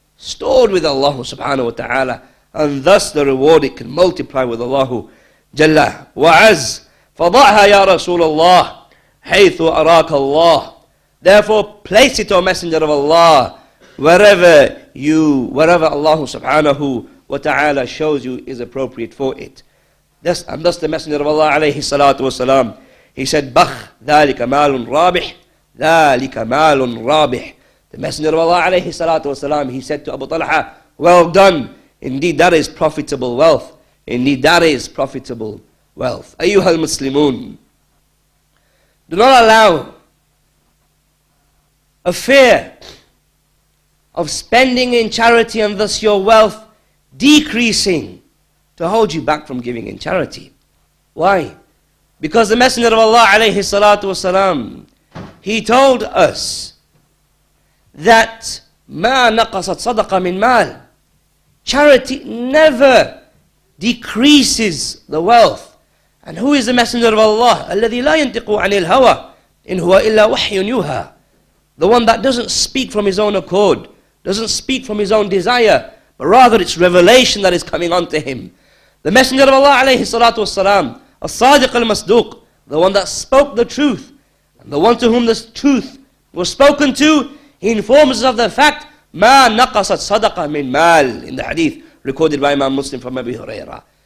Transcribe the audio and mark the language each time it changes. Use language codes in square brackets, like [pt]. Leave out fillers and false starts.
[en] Stored with Allah subhanahu wa ta'ala. And thus the reward, it can multiply with Allah jalla wa'az. [ar] فَضَعْهَا يَا رَسُولَ اللَّهِ حَيْثُ أَرَاكَ اللَّهِ. [en] Therefore, place it, O Messenger of Allah, wherever Allah subhanahu wa ta'ala shows you is appropriate for it. This, and thus the Messenger of Allah عليه الصلاة والسلام, he said, [ar] بخ ذلك مال رابح [en] ذلك مال رابح. The Messenger of Allah عليه الصلاة والسلام, he said to Abu Talha, well done, indeed that is profitable wealth, indeed that is profitable wealth. [ar] أيها المسلمون, [en] do not allow a fear of spending in charity and thus your wealth decreasing to hold you back from giving in charity. Why? Because the Messenger of Allah عليه الصلاة والسلام, he told us that [ar] ما نقصت صدقة من مال, [en] charity never decreases the wealth. And who is the Messenger of Allah? [ar] الذي لا ينطق عن الهوى إن هو إلا وحي يوحى. [en] The one that doesn't speak from his own accord, doesn't speak from his own desire, but rather it's revelation that is coming unto him. The Messenger of Allah عليه الصلاة والسلام, [ar] الصادق المصدوق, [en] the one that spoke the truth, and the one to whom the truth was spoken to, he informs us of the fact, [ar] ما نقصت صدقة من مال, [en] in the hadith recorded by Imam Muslim from Abu Huraira.